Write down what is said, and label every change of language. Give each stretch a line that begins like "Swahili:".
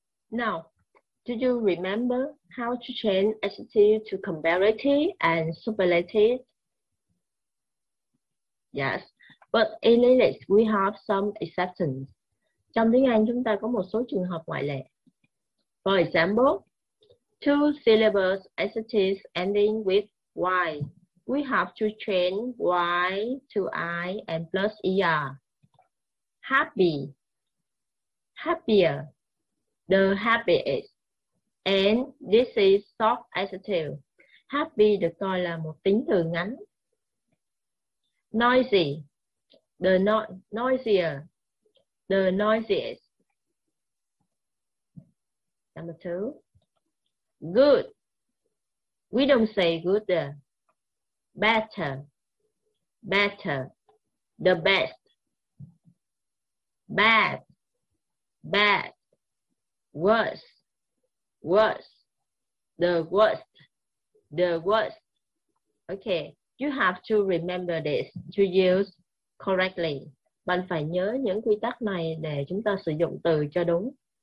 English: Now, do you remember how to change adjective to comparative and superlative? Yes, but in English we have some exceptions.
Vietnamese: Trong tiếng Anh chúng ta có một số trường hợp ngoại lệ.
English: For example, Two syllables adjectives ending with Y. We have to change Y to I and plus ER. Happy, happier, the happiest. And this is soft adjective.
Vietnamese: Happy được coi là một tính từ ngắn.
English: Noisy, the noisier, the noisiest. Number two, good. We don't say good there. Better, better, the best. Bad, bad, worse, worse, the worst, the worst. Okay, you have to remember this to use correctly.
Vietnamese: Bạn phải nhớ những quy tắc này để chúng ta sử dụng từ cho đúng.